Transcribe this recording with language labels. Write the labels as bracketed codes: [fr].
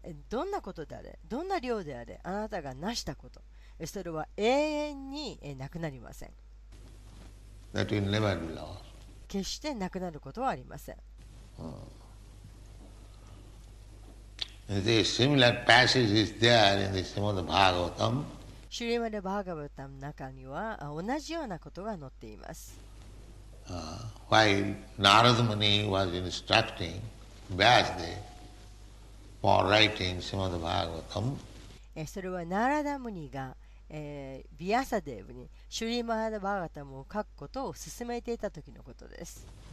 [ja] どんなことであれ、どんな量であれ、あなたが成したこと、それは永遠になくなりません。 [en] That will never be lost. [ja] 決してなくなることはありません。 [en] The similar passage is there in the Srimad Bhagavatam. [ja] シュリマル・バーガヴァタムの中には同じようなことが載っています。 [en] While Narada Muni was instructing Vyasadeva. For writing Srimad Bhagavatam. [ja] それはナラダムニが、ビアサデーブにシュリマラバーガタムを書くことを勧めていた時のことです。